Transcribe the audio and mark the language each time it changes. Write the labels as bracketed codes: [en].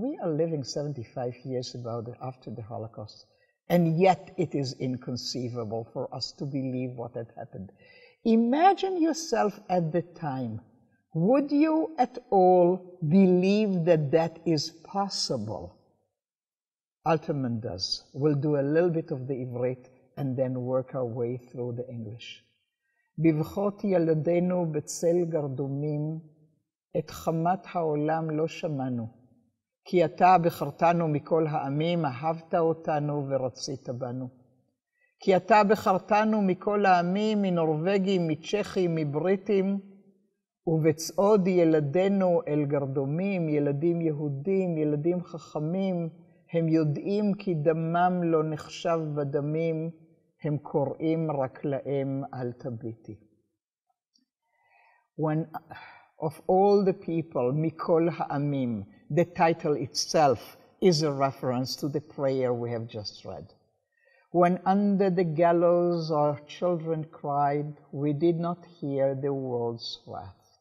[en] We are living 75 years about after the Holocaust, and yet it is inconceivable for us to believe what had happened. Imagine yourself at the time. Would you at all believe that that is possible? Alterman does. We'll do a little bit of the Ivrit and then work our way through the English. [he] Bivchot yaladenu betzel gardumim את חמת העולם לא שמענו, כי אתה בחרתנו מכל העמים, אהבת אותנו ורצית בנו. כי אתה בחרתנו מכל העמים, מנורווגים, מצ'כים, מבריטים, ובצעוד ילדינו אל גרדומים, ילדים יהודים, ילדים חכמים, הם יודעים כי דמם לא נחשב בדמים, הם קוראים רק להם אל תביטי. [en] Of all the people, Mikol Ha'amim, the title itself is a reference to the prayer we have just read. When under the gallows our children cried, we did not hear the world's wrath.